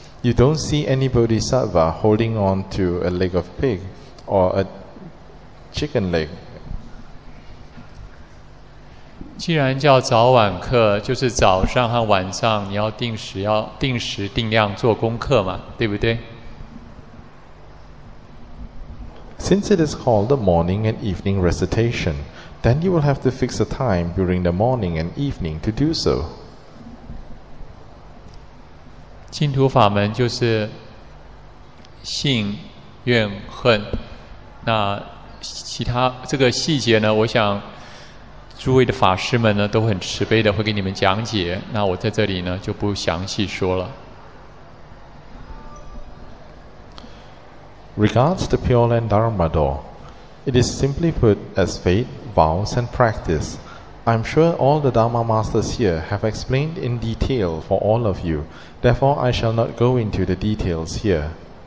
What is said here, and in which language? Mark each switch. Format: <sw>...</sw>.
<en>You don't see any bodhisattva holding on to a leg of pig or a chicken leg.</en> <zh>既然叫早晚课，就是早上和晚上你要定时，要定时定量做功课嘛，对不对？</zh> <en>Since it is called the morning and evening recitation, then you will have to fix a time during the morning and evening to do so.</en> <zh>净土法门就是信、愿、恨，那其他这个细节呢？我想诸位的法师们呢都很慈悲的会给你们讲解，那我在这里呢就不详细说了。</zh> <en>Regards the Pure Land Dharma though, it is simply put as faith, vows and practice. I'm sure all the Dharma masters here have explained in detail for all of you, therefore I shall not go into the details here.</en>